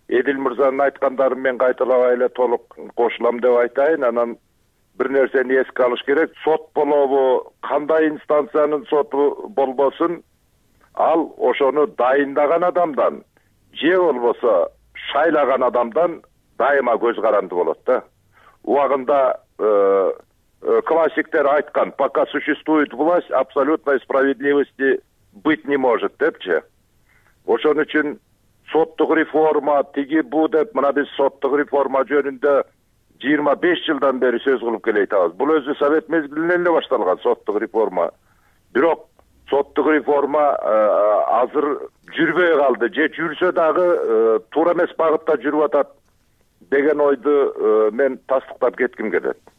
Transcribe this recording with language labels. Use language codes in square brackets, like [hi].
[ky] Эдил мырзанын айткандарын мен кайталабай эле толук кошулам деп айтайын. Анан бир нерсени эске алыш керек: сот болобу, кандай инстанциянын соту болбосун, ал ошону дайындаган адамдан же болбосо шайлаган адамдан дайыма көз каранды болот да. Убагында классиктер айткан: [ru] пока существует власть, абсолютной справедливости быть не может [ky] депчи. Ошон үчүн соттук реформа тиги бул деп, мына биз соттук реформа жөнүндө 25 жылдан бери сөз кылып келе атабыз. Бул өзү совет мезгилинен эле башталган соттук реформа. Бирок соттук реформа азыр жүрбөй калды, же жүрсө дагы туура эмес багытта жүрүп атат деген ойду мен тастыктап кетким келет.